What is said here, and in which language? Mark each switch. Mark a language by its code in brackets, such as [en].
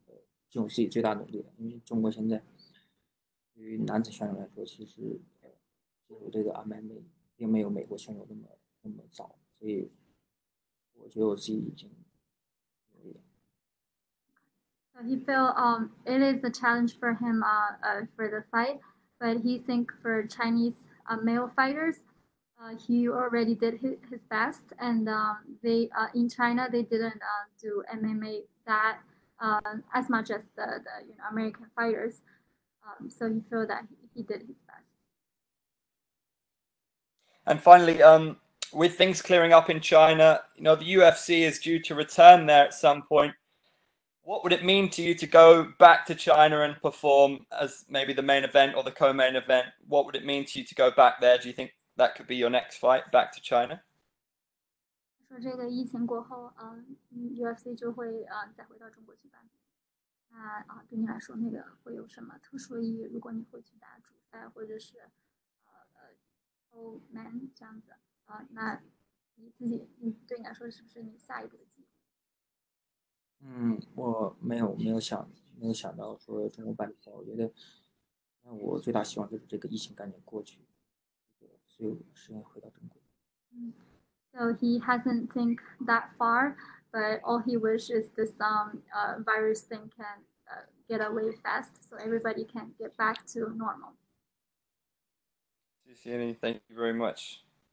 [zh] 上一次你拿到一个很近的一个比赛，那这一次的比赛对你来说是怎么样一个考验的职业生涯里？对，我觉得，就这次其实对我来说，挺难的。我觉得我自己进步也挺大的，挺，我这场比赛我觉得我也会有很大的进步。他们都是很好的选手，对吧？对于我们中国选手来说，我觉得我已经尽我自己最大努力了，因为中国现在。 [en] So he felt it is a challenge for him for the fight, but he think for Chinese male fighters, he already did his best, and they in China they didn't do MMA that as much as the you know American fighters. So he feel that he did his best. And finally, with things clearing up in China, you know, the UFC is due to return there at some point. What would it mean to you to go back to China and perform as maybe the main event or the co-main event? What would it mean to you to go back there? Do you think that could be your next fight back to China? [zh] 说这个疫情过后, UFC就会再回到中国去办。那对你来说，那个会有什么特殊的意义？如果你会去打主赛，或者是old man这样子，那你自己对你来说，是不是你下一步的计划？我没有想到说中国办比赛，我觉得那我最大希望就是这个疫情赶紧过去，这个 [en] So he hasn't think that far, but all he wishes is this virus thing can get away fast, so everybody can get back to normal. Susie, thank you very much.